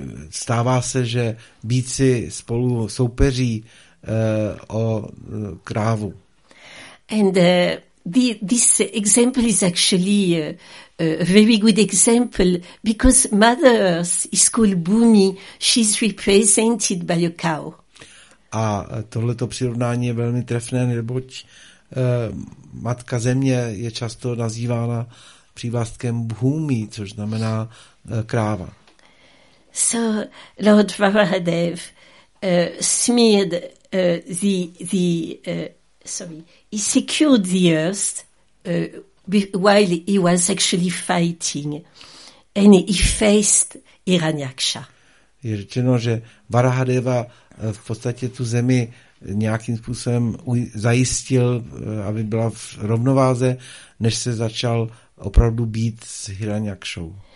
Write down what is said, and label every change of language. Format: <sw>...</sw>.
<cs>Stává se, že bíci spolu soupeří o krávu.</cs> <en>And this example is actually a very good example because Mother Earth is called Bhumi. She's represented by a cow.</en> <cs>A tohleto přirovnání je velmi trefné, neboť Matka Země je často nazývána přívlastkem Bhumi, což znamená kráva.</cs> <en>So Lord Varahadev smeared he secured the earth while he was actually fighting, and he faced Hiranyaksha.</en> <cs>Je řečeno, že Varahadeva v podstatě tu zemi nějakým způsobem zajistil, aby byla v rovnováze, než se začal opravdu bít s Hiranyakšou.</cs>